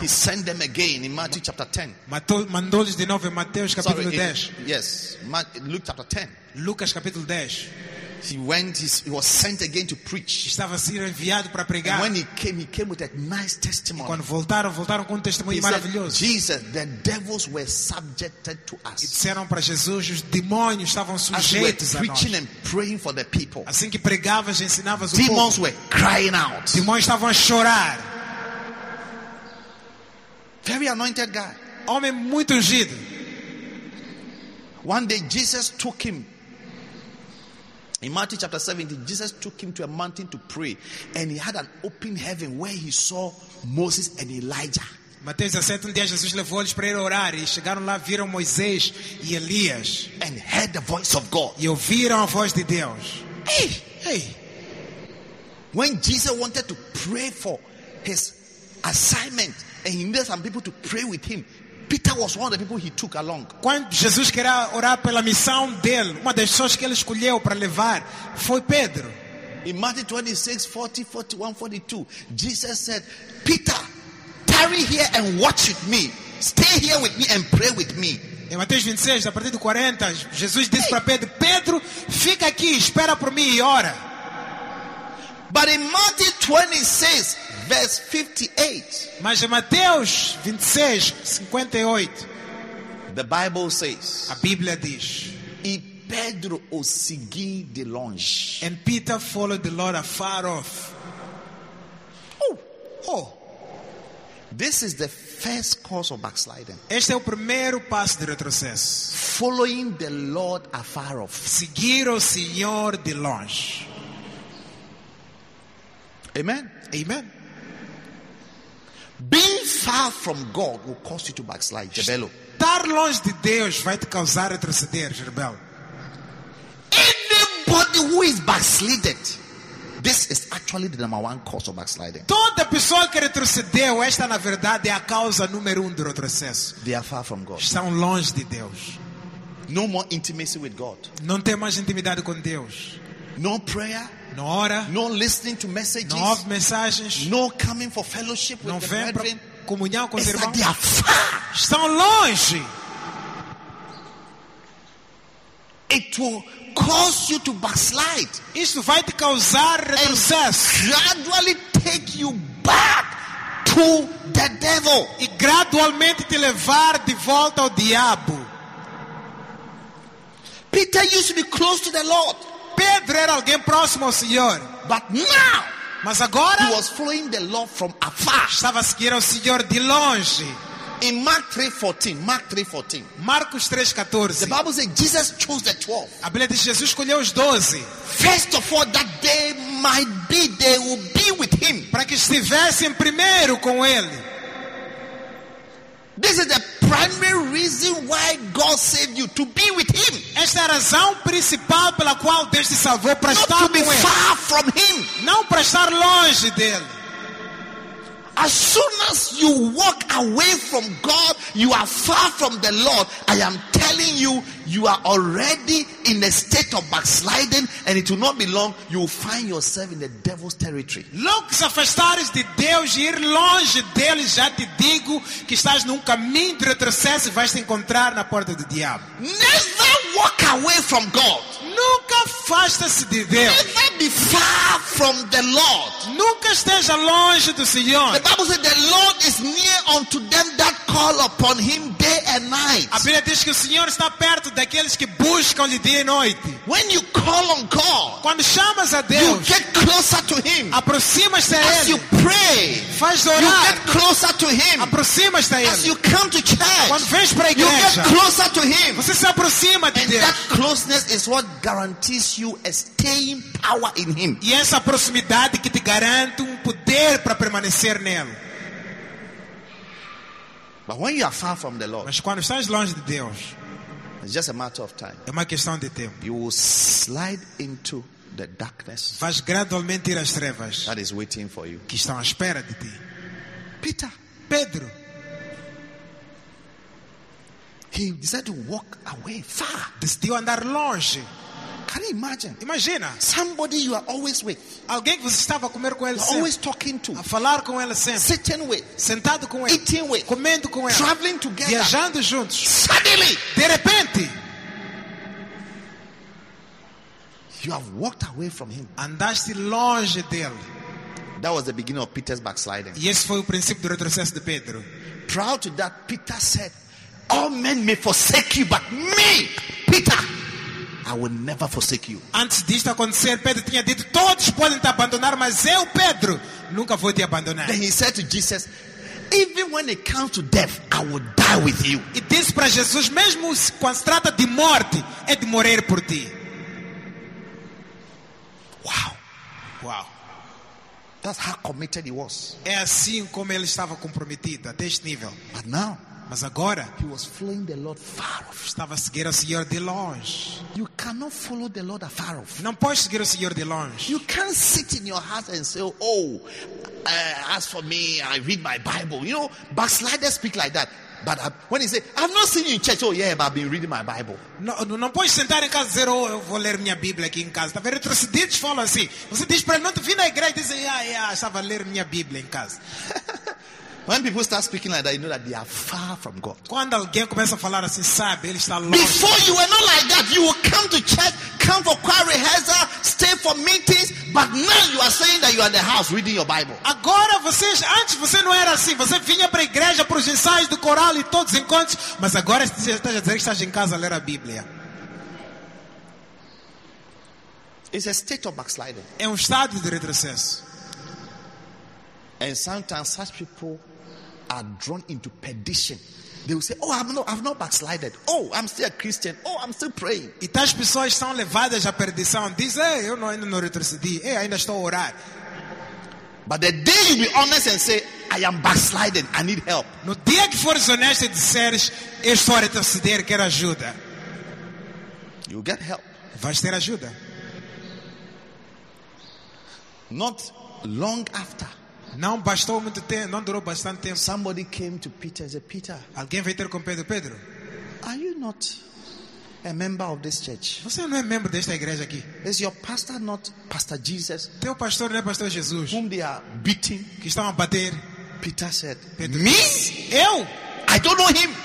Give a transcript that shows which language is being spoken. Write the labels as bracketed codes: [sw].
[en] he sent them again in Matthew chapter 10. [pt] Mandou-lhes de novo em Mateus capítulo 10. [en] Yes, Luke chapter 10. [pt] Lucas capítulo 10. [en] He was sent again to preach. [pt] Estava sendo enviado para pregar. [en] And when he came with a nice testimony. [pt] E quando voltaram com um testemunho maravilhoso. [en] Jesus, the devils were subjected to us. [pt] E disseram para Jesus, os demônios estavam sujeitos a nós. [en] Preaching and praying for the people. [pt] Assim que pregavas e ensinavas o povo. [en] Demons were crying out. [pt] Demônios estavam a chorar. [en] Very anointed guy. [pt] Homem muito ungido. [en] One day Jesus took him. In Matthew chapter 17, Jesus took him to a mountain to pray, and he had an open heaven where he saw Moses and Elijah. [pt] Mateus 17, um dia Jesus levou-lhes para ir orar, e chegaram lá, viram Moisés e Elias, [en] and heard the voice of God. [pt] E ouviram a voz de Deus. [en] Hey. When Jesus wanted to pray for his assignment and he needed some people to pray with him, Peter was one of the people he took along. [pt] Quando Jesus queria orar pela missão dele, uma das pessoas que ele escolheu para levar foi Pedro. [en] In Matthew 26, 40, 41, 42, Jesus said, Peter, tarry here and watch with me. Stay here with me and pray with me. [pt] Em Mateus 26, a partir do 40, Jesus disse para Pedro, Pedro, fica aqui, espera por mim e ora. [en] But in Matthew 26, verse 58. [pt] Mas em Mateus 26, 58. [en] The Bible says. [pt] A Bíblia diz. E Pedro o seguiu de longe. [en] And Peter followed the Lord afar off. Oh. This is the first cause of backsliding. [pt] Este é o primeiro passo de retrocesso. [en] Following the Lord afar off. [pt] Seguir o Senhor de longe. [en] Amen. [pt] Amen. [en] Being far from God will cause you to backslide. [pt] Rebelo. Estar longe de Deus vai te causar retroceder, rebelo. [en] Anybody who is backslided, this is actually the number one cause of backsliding. [pt] Toda pessoa que retrocedeu, esta na verdade é a causa número um do retrocesso. [en] They are far from God. [pt] Estão longe de Deus. [en] No more intimacy with God. [pt] Não tem mais intimidade com Deus. [en] No prayer. [pt] Não ora. [en] No listening to messages. [pt] Não ouve mensagens. [en] No coming for fellowship with the brethren. [pt] Comunhão com os irmãos. [en] They are far. [pt] Estão longe. [en] It will cause you to backslide. [pt] Isso vai te causar retrocesso. [en] And gradually take you back to the devil. [pt] E gradualmente te levar de volta ao diabo. [en] Peter used to be close to the Lord. [pt] Pedro era alguém próximo ao Senhor. [en] But now, [pt] mas agora, [en] he was following the Lord from afar. [pt] Estava a seguir ao Senhor de longe. [en] In Mark 3:14. [pt] Marcos 3:14. [en] The Bible says Jesus chose the 12. [pt] A Bíblia diz Jesus escolheu os 12. [en] First of all, that they might be, they will be with him. [pt] Para que estivessem primeiro com ele. [en] This is the primary reason why God saved you, to be with him. [pt] Esta é a razão principal pela qual Deus te salvou, para estar com ele. [en] Not to be far from him. [pt] Não para estar longe dele. [en] As soon as you walk away from God, you are far from the Lord. I am telling you, you are already in a state of backsliding, and it will not be long, you will find yourself in the devil's territory. [pt] Logo se afastares de Deus e ir longe dele, já te digo que estás num caminho de retrocesso e vais te encontrar na porta do diabo. [en] Never walk away from God. [pt] Nunca afasta-se de Deus. [en] Never be far from the Lord. [pt] Nunca esteja longe do Senhor. [en] The Bible says the Lord is near unto them that call upon him day and night. [pt] A Bíblia diz que o Senhor está perto daqueles que buscam de dia e noite. [en] When you call on God, [pt] quando chamas a Deus, [en] you get closer to him. [pt] Aproximas-te a ele. [en] As you pray, [pt] faz orar, [en] you get closer to him. [pt] Aproximas-te a ele. [en] As you come to church, [pt] quando vens para a igreja, [en] you get closer to him. [pt] Você se aproxima de [en] and [pt] Deus. [en] That closeness is what guarantees you a staying power in him. [pt] E essa proximidade que te garante um poder para permanecer nele. [en] But when you are far from the Lord, [pt] mas quando estás longe de Deus, [en] it's just a matter of time. [pt] É uma questão de tempo. [en] You will slide into the darkness. [pt] Vais gradualmente ir às trevas. [en] That is waiting for you. [pt] Que estão à espera de ti. [en] Peter, [pt] Pedro. [en] He decided to walk away far. [pt] Decidiu andar longe. [en] Can you imagine? [pt] Imagina. [en] Somebody you are always with. [pt] Alguém que você estava a comer com ele sempre. [en] Always talking to. [pt] A falar com ele sempre. [en] Sitting with. [pt] Sentado com ele. [en] Eating with. [pt] Comendo com ele. [en] Traveling together. [pt] Viajando juntos. [en] Suddenly. [pt] De repente. [en] You have walked away from him. [pt] Andaste longe dele. [en] That was the beginning of Peter's backsliding. [pt] E esse foi o princípio do retrocesso de Pedro. [en] Prior to that, Peter said, all men may forsake you, but me, Peter, I will never forsake you. [pt] Antes disto acontecer, Pedro tinha dito, todos podem te abandonar, mas eu, Pedro, nunca vou te abandonar. [en] Then he said to Jesus, even when it comes to death, I will die with you. [pt] E disse para Jesus, mesmo quando se trata de morte, é de morrer por ti. [en] Wow. [pt] Wow. [en] That's how committed he was. [pt] É assim como ele estava comprometido, até este nível. [en] But now, [pt] mas agora, [en] he was following the Lord far off. [pt] Estava a seguir o Senhor de longe. [en] You cannot follow the Lord afar off. [pt] Não pode seguir o Senhor de longe. [en] You can't sit in your house and say, oh, as for me, I read my Bible. You know, backsliders speak like that. But when he say, I've not seen you in church. Oh yeah, but I've been reading my Bible. [pt] Não pode sentar em casa e dizer, oh, eu vou ler minha Bíblia aqui em casa. Está vendo? Retrocedidos falam assim. Você diz para ele, não te vir na igreja e dizer, yeah, estava a ler minha Bíblia em casa. [en] When people start speaking like that, you know that they are far from God. [pt] Quando alguém começa a falar assim, sabe, ele está longe. [en] Before you were not like that. You will come to church, come for choir rehearsal, stay for meetings, but now you are saying that you are in the house reading your Bible. [pt] Agora vocês, antes você não era assim. Você vinha para a igreja, para os ensaios do coral e todos os encontros, mas agora você está a dizer que estás em casa a ler a Bíblia. [en] It's a state of backsliding. [pt] É estado de retrocesso. [en] And sometimes such people are drawn into perdition. They will say, oh, I've not backslided. Oh, I'm still a Christian. Oh, I'm still praying. [pt] E tais pessoas são levadas à perdição. Dizem, eu ainda não retrocedi. Eu ainda estou a orar. [en] But the day you be honest and say, I am backsliding. I need help. [pt] No dia que fores honesto e disseres, eu estou a retroceder, quero ajuda. [en] You get help. [pt] Vais ter ajuda. [en] Not long after. [pt] Não bastou muito tempo, não durou bastante tempo. [en] Somebody came to Peter and said, Peter. [pt] Alguém veio ter com Pedro. Pedro, [en] are you not a member of this church? [pt] Você não é membro desta igreja aqui? [en] Is your pastor not Pastor Jesus? [pt] Teu pastor não é Pastor Jesus? [en] Whom they are beating? [pt] Que estão a bater? [en] Peter said, [pt] Pedro, [en] me? [pt] Eu? [en] I don't know him.